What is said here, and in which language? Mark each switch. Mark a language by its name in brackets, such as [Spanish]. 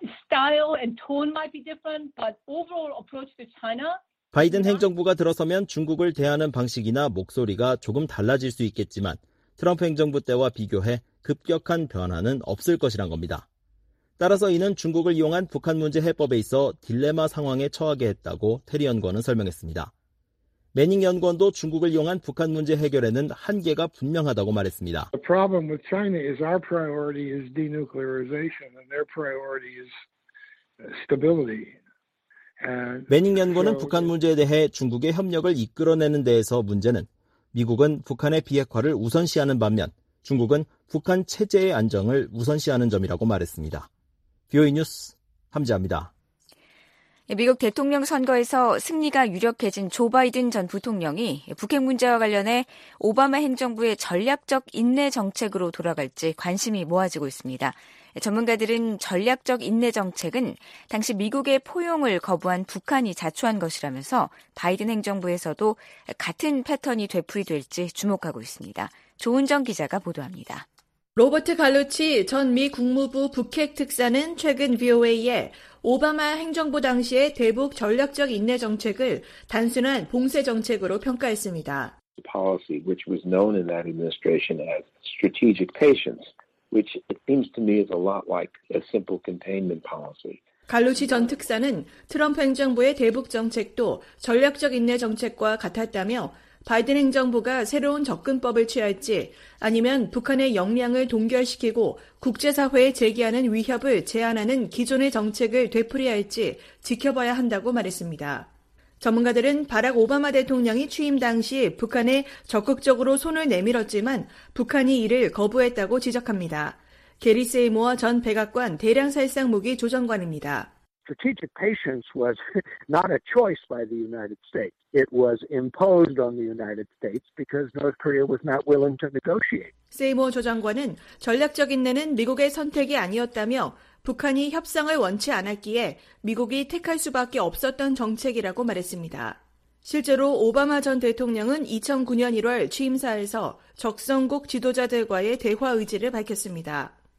[English] Style and tone might be different, but overall approach to China. [Korean] 바이든 행정부가 들어서면 중국을 대하는 방식이나 목소리가 조금 달라질 수 있겠지만 트럼프 행정부 때와 비교해 급격한 변화는 없을 것이란 겁니다. 따라서 이는 중국을 이용한 북한 문제 해법에 있어 딜레마 상황에 처하게 했다고 테리 연구원은 설명했습니다. 매닝 연구원도 중국을 이용한 북한 문제 해결에는 한계가 분명하다고 말했습니다. [English] The problem with China is our priority is denuclearization and their priority is stability. [Korean] 매닝 연구원은 북한 문제에 대해 중국의 협력을 이끌어내는 데에서 문제는 미국은 북한의 비핵화를 우선시하는 반면 중국은 북한 체제의 안정을 우선시하는 점이라고 말했습니다. 뷰이 뉴스 함지아입니다. 미국 대통령 선거에서 승리가 유력해진 조 바이든 전 부통령이 북핵 문제와 관련해 오바마 행정부의 전략적 인내 정책으로 돌아갈지 관심이 모아지고 있습니다. 전문가들은 전략적 인내 정책은 당시 미국의 포용을 거부한 북한이 자초한 것이라면서 바이든 행정부에서도 같은 패턴이 되풀이될지 주목하고 있습니다. 조은정 기자가 보도합니다. 로버트 갈루치 전 미 국무부 북핵특사는 최근 VOA에 오바마 행정부 당시의 대북 전략적 인내 정책을 단순한 봉쇄 정책으로 평가했습니다. [English] The policy which was known in that administration as strategic patience, which it seems to me is a lot like a simple containment policy. [Korean] 갈루치 전 특사는 트럼프 행정부의 대북 정책도 전략적 인내 정책과 같았다며 바이든 행정부가 새로운 접근법을 취할지 아니면 북한의 역량을 동결시키고 국제사회에 제기하는 위협을 제한하는 기존의 정책을 되풀이할지 지켜봐야 한다고 말했습니다. 전문가들은 바락 오바마 대통령이 취임 당시 북한에 적극적으로 손을 내밀었지만 북한이 이를 거부했다고 지적합니다. 게리 세이모어 전 백악관 대량살상무기 조정관입니다. [English] Strategic patience was not a choice by the United States. It was imposed on the United States because North Korea was not willing to negotiate. [Korean] 세이모 조정관은 전략적 인내는 미국의 선택이 아니었다며 북한이 협상을 원치 않았기에 미국이 택할 수밖에 없었던 정책이라고 말했습니다. 실제로 오바마 전 대통령은 2009년 1월 취임사에서 적성국 지도자들과의 대화 의지를 밝혔습니다.